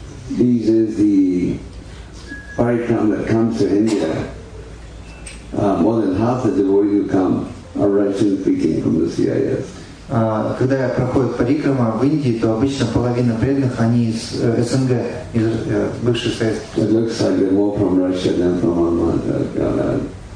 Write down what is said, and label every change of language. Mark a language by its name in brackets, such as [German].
[English] This is the Parikram that comes to India. More than half the devotees who come are Russian speaking from the CIS. [Russian] Когда я проходит парикрама в Индии, то обычно половина преданных они из СНГ, из бывших советских. [English] It looks like they're more from Russia than from Oman.